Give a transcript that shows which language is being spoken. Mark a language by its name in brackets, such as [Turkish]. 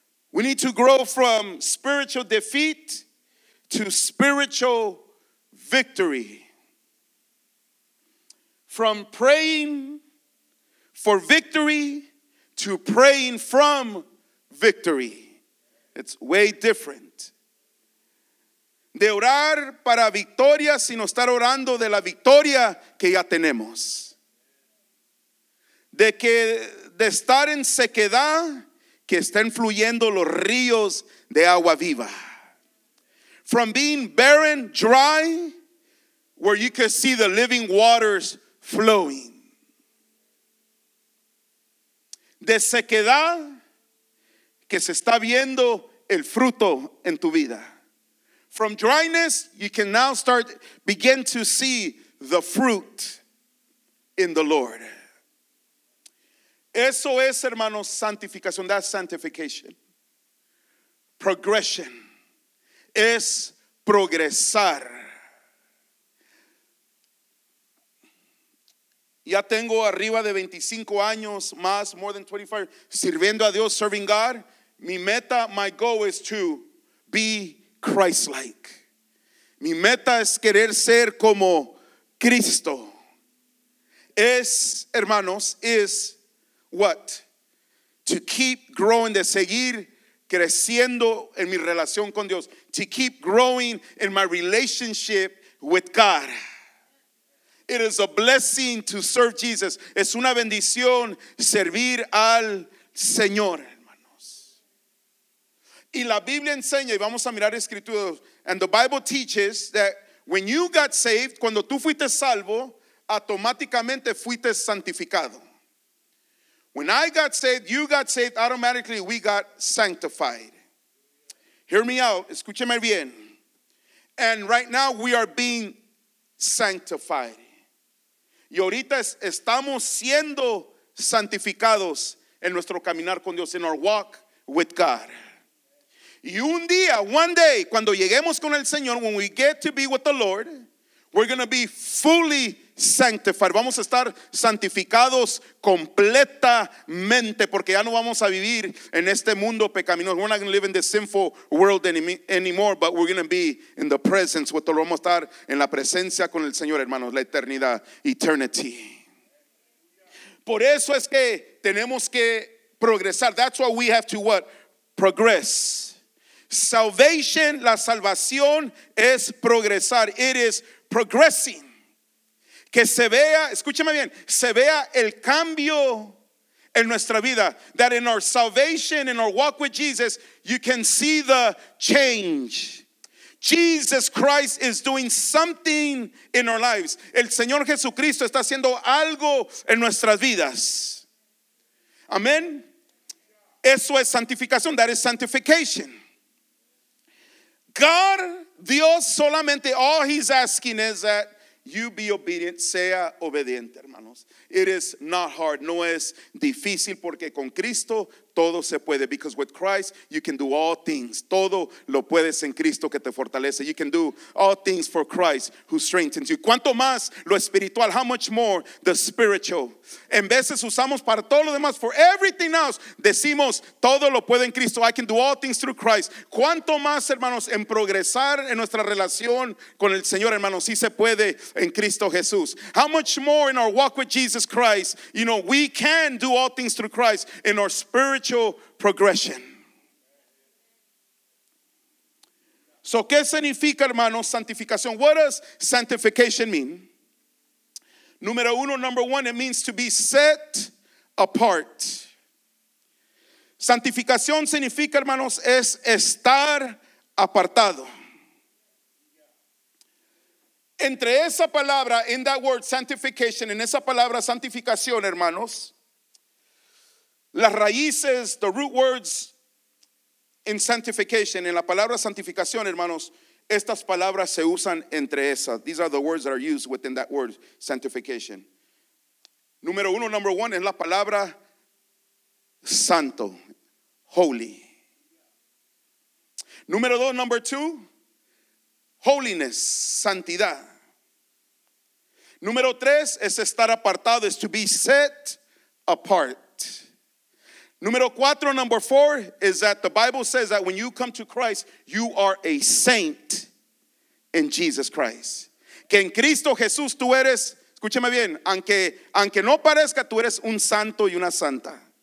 [English] We need to grow from spiritual defeat to spiritual victory. From praying for victory to praying from victory. It's way different. [Spanish] De orar para victoria, sino estar orando de la victoria que ya tenemos. De estar en sequedad, que estén fluyendo los ríos de agua viva. [English] From being barren, dry, where you can see the living waters flowing. [Spanish] De sequedad, que se está viendo el fruto en tu vida. [English] From dryness, you can now start, begin to see the fruit in the Lord. [Spanish] Eso es, hermanos, santificación. [English] That's sanctification. Progression. [Spanish] Es progresar. Ya tengo arriba de 25 años más, [English] more than 25, [Spanish] sirviendo a Dios, [English] serving God. [Spanish] Mi meta, [English] my goal is to be Christ-like. [Spanish] Mi meta es querer ser como Cristo. Es, hermanos, [English] is what? To keep growing, [Spanish] de seguir creciendo en mi relación con Dios. [English] To keep growing in my relationship with God. It is a blessing to serve Jesus. [Spanish] Es una bendición servir al Señor, hermanos. Y la Biblia enseña, y vamos a mirar escrituras, [English] and the Bible teaches that when you got saved, [Spanish] cuando tú fuiste salvo, automáticamente fuiste santificado. [English] When I got saved, you got saved, automatically we got sanctified. Hear me out, [Spanish] escúcheme bien. [English] And right now we are being sanctified. [Spanish] Y ahorita estamos siendo santificados en nuestro caminar con Dios, [English] in our walk with God. [Spanish] Y un día, [English] one day, [Spanish] cuando lleguemos con el Señor, [English] when we get to be with the Lord, we're going to be fully sanctified. [Spanish] Vamos a estar santificados completamente, porque ya no vamos a vivir en este mundo pecaminoso. [English] We're not going to live in this sinful world anymore, but we're going to be in the presence with the Lord. [Spanish] Vamos a estar en la presencia con el Señor, hermanos, la eternidad, [English] eternity. [Spanish] Por eso es que tenemos que progresar. [English] That's why we have to what? Progress. [Spanish] Salvation, la salvación es progresar. [English] It is progressing. [Spanish] Que se vea, escúchame bien, se vea el cambio en nuestra vida. [English] That in our salvation, in our walk with Jesus, you can see the change. Jesus Christ is doing something in our lives. [Spanish] El Señor Jesucristo está haciendo algo en nuestras vidas. Amén. Eso es santificación. [English] That is sanctification. God, [Spanish] Dios solamente, [English] all he's asking is that you be obedient, [Spanish] sea obediente, hermanos. [English] It is not hard, [Spanish] no es difícil, porque con Cristo todo se puede. [English] Because with Christ, you can do all things. [Spanish] Todo lo puedes en Cristo que te fortalece. [English] You can do all things for Christ who strengthens you. [Spanish] ¿Cuánto más lo espiritual? [English] How much more the spiritual? [Spanish] En veces usamos para todo lo demás, [English] for everything else, [Spanish] decimos todo lo puedo en Cristo. [English] I can do all things through Christ. [Spanish] ¿Cuánto más, hermanos, en progresar en nuestra relación con el Señor, hermanos? Sí se puede en Cristo Jesús. [English] How much more in our walk with Jesus Christ? You know, we can do all things through Christ in our spiritual progression. [Spanish] So, ¿qué significa, hermanos, santificación? [English] What does sanctification mean? [Spanish] Número uno, [English] number one, it means to be set apart. [Spanish] Santificación significa, hermanos, es estar apartado. Entre esa palabra, [English] in that word, [Spanish] sanctification, en esa palabra, santificación, hermanos, las raíces, [English] the root words in sanctification, [Spanish] en la palabra santificación, hermanos, estas palabras se usan entre esas. [English] These are the words that are used within that word, sanctification. [Spanish] Número uno, [English] number one, [Spanish] es la palabra santo, holy. Número dos, [English] number two, holiness, [Spanish] santidad. Número tres es estar apartado, es [English] to be set apart. [Spanish] Número cuatro, [English] number four, is that the Bible says that when you come to Christ, you are a saint in Jesus Christ. [Spanish] Que en Cristo Jesús tú eres, escúcheme bien, aunque no parezca, tú eres un santo y una santa.